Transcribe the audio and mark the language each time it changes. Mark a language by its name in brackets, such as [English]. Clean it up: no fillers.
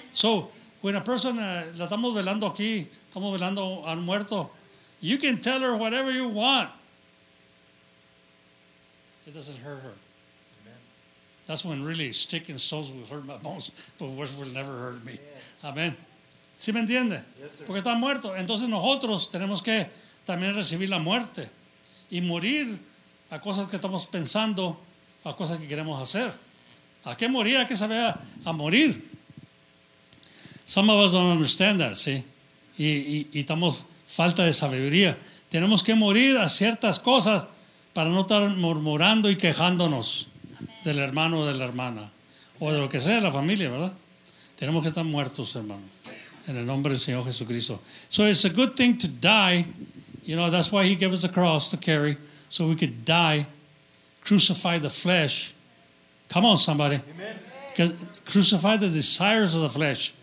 [English] So when a person, [Spanish] la estamos velando aquí, estamos velando al muerto, [English] you can tell her whatever you want. It doesn't hurt her. Amen. That's when really sticking stones will hurt my bones, but words will never hurt me. [Spanish] Amen. ¿Sí me entiende? [English] Yes, sir. [Spanish] Porque está muerto. Entonces nosotros tenemos que también recibir la muerte y morir a cosas que estamos pensando, a cosas que queremos hacer. ¿A qué morir? ¿A qué saber a morir? [English] Some of us don't understand that, [Spanish] ¿sí? Y estamos falta de sabiduría. Tenemos que morir a ciertas cosas para no estar murmurando y quejándonos del hermano o de la hermana o de lo que sea, la familia, ¿verdad? Tenemos que estar muertos, hermano. [English] In the name of the Lord Jesus Christ. So it's a good thing to die. You know, that's why he gave us a cross to carry. So we could die. Crucify the flesh. Come on, somebody. Amen. Crucify the desires of the flesh.